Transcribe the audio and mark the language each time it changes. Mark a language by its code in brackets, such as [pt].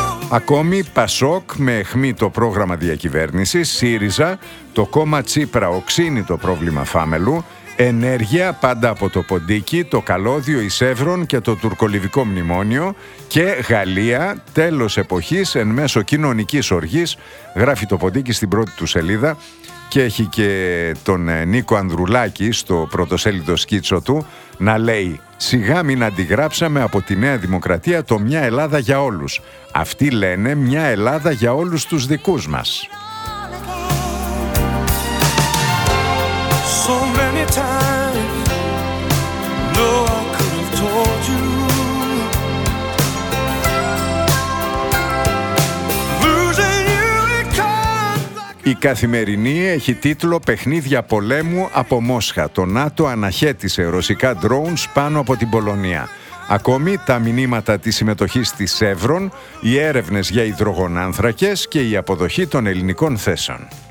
[el] Ακόμη Πασόκ με αιχμή το πρόγραμμα διακυβέρνησης, ΣΥΡΙΖΑ, το κόμμα Τσίπρα οξύνει το πρόβλημα Φάμελου, ενέργεια πάντα από το ποντίκι, το καλώδιο Ισεύρων και το τουρκολιβικό μνημόνιο και Γαλλία, τέλος εποχής εν μέσω κοινωνικής οργής, γράφει το ποντίκι στην πρώτη του σελίδα και έχει και τον Νίκο Ανδρουλάκη στο πρωτοσέλιδο σκίτσο του να λέει «Σιγά μην αντιγράψαμε από τη Νέα Δημοκρατία το «Μια Ελλάδα για όλους». Αυτοί λένε «Μια Ελλάδα για όλους τους δικούς μας». [en] So many times, no, I could have told you. Losing you, it comes like... [el] Η Καθημερινή έχει τίτλο «Παιχνίδια πολέμου από Μόσχα. Το ΝΑΤΟ αναχέτησε ρωσικά drones πάνω από την Πολωνία». Ακόμη τα μηνύματα της συμμετοχής της Εύρων, οι έρευνες για υδρογονάνθρακες και η αποδοχή των ελληνικών θέσεων.